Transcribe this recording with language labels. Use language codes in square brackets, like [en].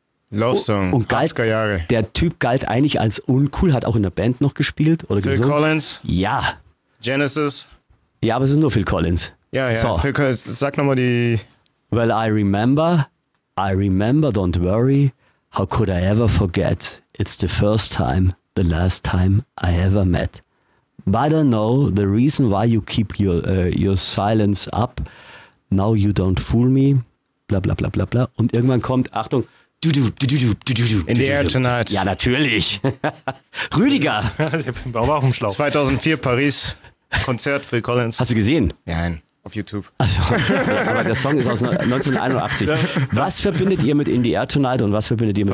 [de] Love Song, und galt, 80er Jahre. Der Typ galt eigentlich als uncool, hat auch in der Band noch gespielt oder Phil gesungen. Phil Collins? Ja. Genesis? Ja, aber es ist nur Phil Collins. Ja, ja. So. Phil Collins, sag nochmal die... [en] Well, I remember, don't worry, how could I ever forget? It's the first time, the last time I ever met. But I don't know the reason why you keep your silence up. Now you don't fool me. Bla bla bla bla bla. [de] Und irgendwann kommt, Achtung, [en] In the air tonight. [de] Ja, natürlich. Rüdiger. Der war auch im Schlauch. 2004 Paris. Konzert für Collins. Hast du gesehen? Nein, auf YouTube. Also, aber der Song ist aus 1981. Was verbindet ihr mit In the air tonight und was verbindet ihr mit